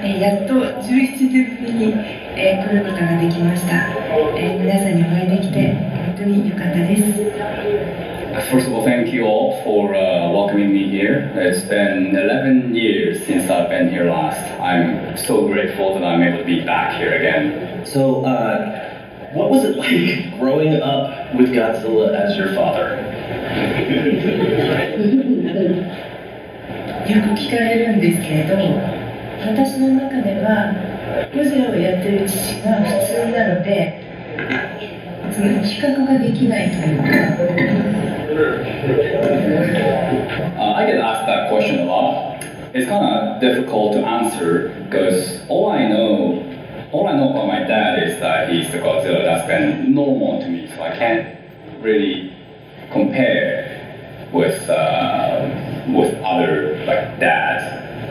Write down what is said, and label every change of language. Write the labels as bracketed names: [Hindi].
[Japanese] やっと17年ぶりに来ることができました。皆さんにお会いできて本当に良かったです。 [English] First of all, thank you all for welcoming me here. It's been 11 years since I've been here last. I'm so grateful that I'm able to be back here again. So, what was it like growing up with Godzilla as your father? [Japanese] よく聞かれるんですけれど、私の中ではゴジラをやっている父が普通なので、その比較ができないというか。 [English] I get asked that question a lot. It's kind of difficult to answer because all I know about my dad is that he's the Godzilla that's been normal to me, so I can't reallycompare with other like dads